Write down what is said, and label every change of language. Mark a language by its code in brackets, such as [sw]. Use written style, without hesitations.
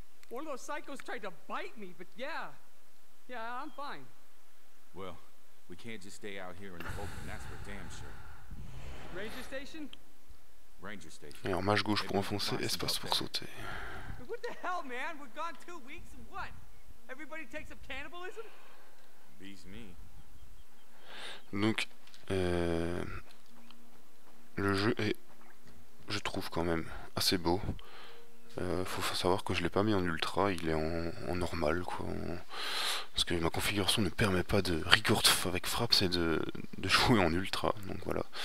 [en] One of those psychos tried to bite me, but yeah. Yeah, I'm fine. Well, we can't just stay out here in the open, that's for damn sure. Ranger station? Ranger station. [fr] Et en mâche gauche pour enfoncer, espace pour sauter. [en] What the hell, man? We've gone 2 weeks and what? Everybody takes up cannibalism? Beats me. [fr] Donc, le jeu est, je trouve quand même, assez beau. Faut savoir que je l'ai pas mis en ultra, il est en normal quoi. Parce que ma configuration ne permet pas de record avec frappe, c'est de jouer en ultra. Donc voilà.